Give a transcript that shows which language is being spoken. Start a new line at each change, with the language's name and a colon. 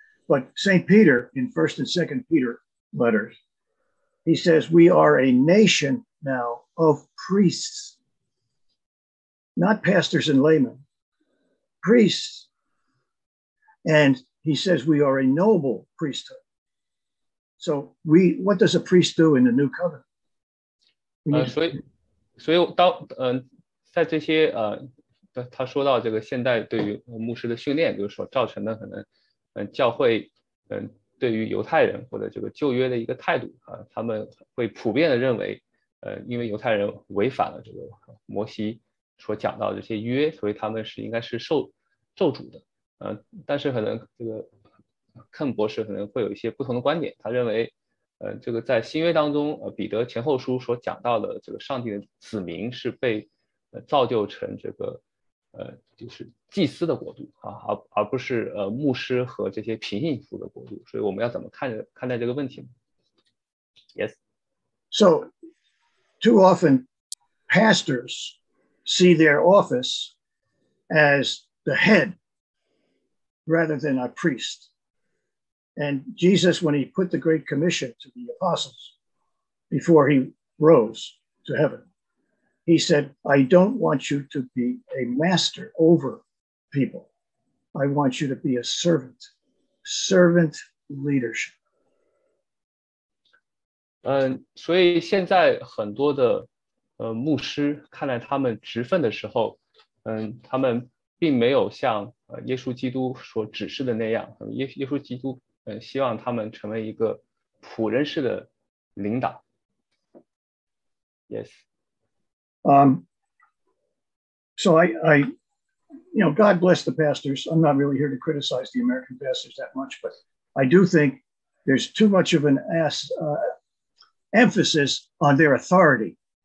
English: But St. Peter in 1st and 2nd Peter letters, he says, we are a nation now of priests. Not pastors and laymen, priests. And he says we are a noble priesthood. So what does a priest do in the new covenant?
Chinese: 所以当在这些他说到这个现代对于牧师的训练，就是所造成的可能教会对于犹太人或者这个旧约的一个态度他们会普遍的认为因为犹太人违反了这个摩西。所讲到的这些约，所以他们是应该是受咒诅的。但是可能这个肯博士可能会有一些不同的观点。他认为，这个在新约当中，彼得前后书所讲到的这个上帝的子民是被造就成这个就是祭司的国度啊，而不是牧师和这些平信徒的国度。所以我们要怎么看待这个问题呢 ？Yes.
English: So too often pastors. See their office as the head rather than a priest. And Jesus, when he put the Great Commission to the apostles before he rose to heaven, he said, I don't want you to be a master over people. I want you to be a servant, servant leadership.
Chinese: 所以现在很多的牧师看来他们职分的时候他们并没有像耶稣基督所指示的那样耶稣基督希望他们成为一个仆人式的领导 Yes
English: So I you know God bless the pastors I'm not really here to criticize the American pastors that much but I do think there's too much of an emphasis on their authority